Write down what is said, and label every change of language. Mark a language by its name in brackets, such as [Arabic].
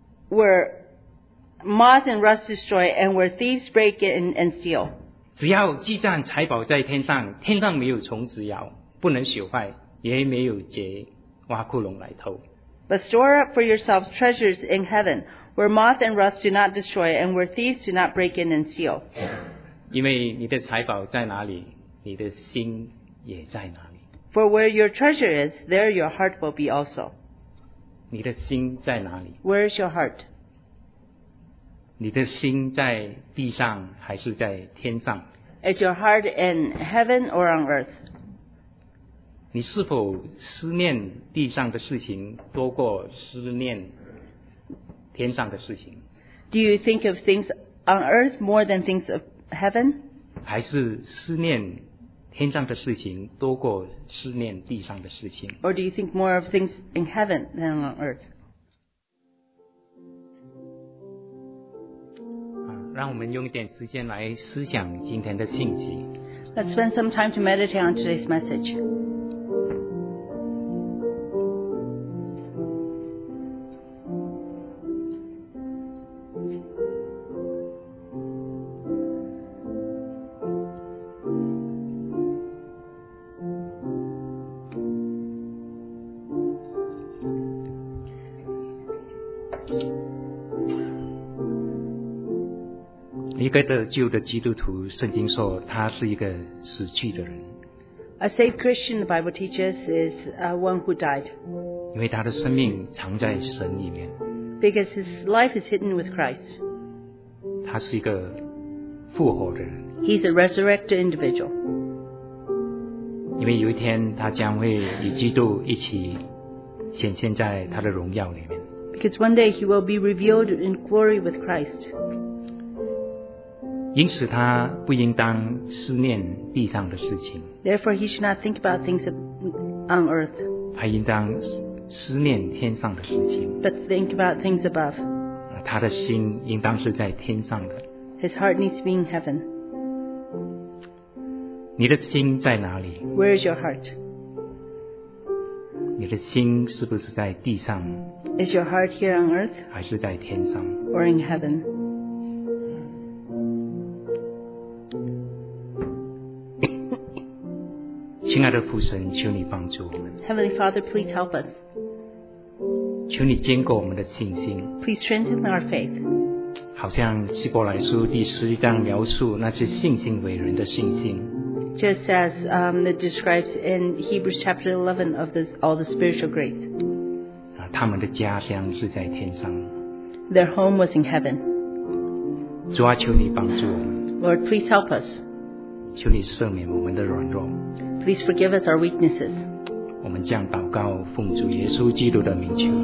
[English] Where moth and rust destroy, and where thieves break in and steal. [Chinese] 只要积攒财宝在天上没有虫子咬，不能朽坏，也没有贼挖窟窿来偷。 [English] But store up for yourself treasures in heaven, where moth and rust do not destroy, and where thieves do not break in and steal. [Chinese] 因为你的财宝在哪里，你的心也在哪里。 [English] For where your treasure is, there your heart will be also. [Chinese] 你的心在哪里？ [English] Where is your heart? [Chinese] 你的心在地上还是在天上？ [English] Is your heart in heaven or on earth? [Chinese] 你是否思念地上的事情多过思念天上的事情？ [English] Do you think of things on earth more than things of heaven? [Chinese] 还是思念天上的事情多过思念地上的事情？ [English] Or do you think more of things in heaven than on earth? [Chinese] 让我们用一点时间来思想今天的信息。 [English] Let's spend some time to meditate on today's message. [Chinese] 一个旧的基督徒，圣经说他是一个死去的人。 [English] A saved Christian, the Bible teaches, is one who died. [Chinese] 因为他的生命藏在神里面。 [English] Because his life is hidden with Christ. [Chinese] 他是一个复活的人。 [English] He's a resurrected individual. [Chinese] 因为有一天他将会与基督一起显现在他的荣耀里面。 [English] Because one day he will be revealed in glory with Christ. [Chinese] 因此他不应当思念地上的事情。 [English] Therefore, he should not think about things on earth. [Chinese] 他应当思念天上的事情。 [English] But think about things above. [Chinese] 他的心应当是在天上的。 [English] His heart needs to be in heaven. [Chinese] 你的心在哪里？ [English] Where is your heart? [Chinese] 你的心是不是在地上？ [English] Is your heart here on earth? [Chinese] 还是在天上？ [English] Or in heaven? [Chinese] 亲爱的父神，求你帮助我们。 [English] Heavenly Father, please help us. [Chinese] 求你坚固我们的信心。 [English] Please strengthen our faith. [Chinese] 好像希伯来书第十一章描述那些信心伟人的信心。 [English] Just as it describes in Hebrews chapter 11 of this, all the spiritual greats. [Chinese] 他们的家乡是在天上。 [English] Their home was in heaven. [Chinese] 主啊，求你帮助我们。 [English] Lord, please help us. [Chinese] 求你赦免我们的软弱。 [English] Please forgive us our weaknesses. [Chinese] 我们这样祷告，奉主耶稣基督的名求。